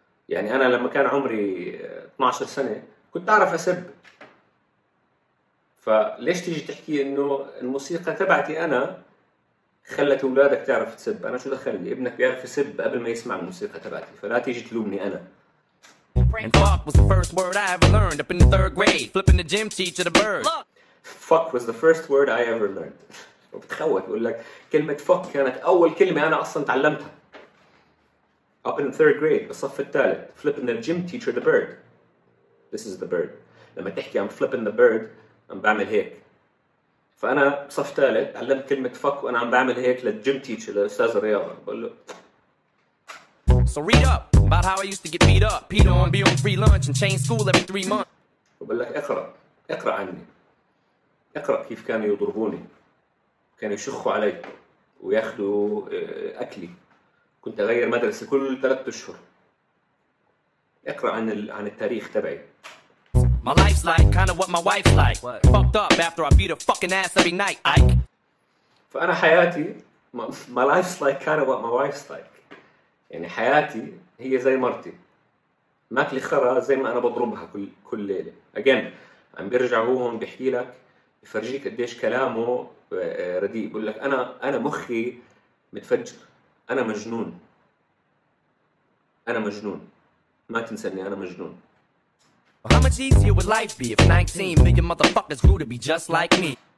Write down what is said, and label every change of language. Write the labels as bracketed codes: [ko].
[ar] يعني انا لما كان عمري 12 سنه كنت اعرف اسب، فليش تيجي تحكي انه الموسيقى تبعتي انا خلت اولادك تعرف تسب؟ انا شو دخلني ابنك بيعرف يسب قبل ما يسمع الموسيقى تبعتي؟ فلا تيجي تلومني انا. [en] And fuck was the first word I ever learned up in the third grade, flipping the gym teacher the bird. Fuck was the first word I ever learned. [ar] وبتخوت بقول لك كلمة fuck كانت أول كلمة أنا أصلاً تعلمتها. [en] Up in the third grade, [ar] بالصف الثالث, [en] flipping the gym teacher the bird. This is the bird. [ar] لما تحكي [en] I'm flipping the bird, I'm [ar] بعمل هيك. فأنا بصف ثالث تعلمت كلمة fuck وأنا عم بعمل هيك للجيم تيتشر لأستاذ الرياضة. بقول له [en] So read up about how I used to get beat up, peed on, be on free lunch, and change school every 3 months. [ar] بقول لك اقرأ، اقرأ عني، اقرأ كيف كانوا يضربوني، كانوا يشخوا علي وياخذوا أكلي، كنت أغير مدرسة كل 3 أشهر. اقرأ عن عن التاريخ تبعي. [en] My life's like kind of what my wife's like. What? Fucked up after I beat her fucking ass every night. Ike. فأنا حياتي my life's like kind of what my wife's like. [ar] يعني حياتي هي زي مرتي، ماكلي خرا زي ما انا بضربها كل ليله. اجين عم بيرجع هو هون بيحكي لك، بفرجيك قديش كلامه رديء. بقول لك انا مخي متفجر، انا مجنون، انا مجنون، ما تنسى اني انا مجنون. [en] How much easier would life be if 19 million motherfuckers grew to be just like me.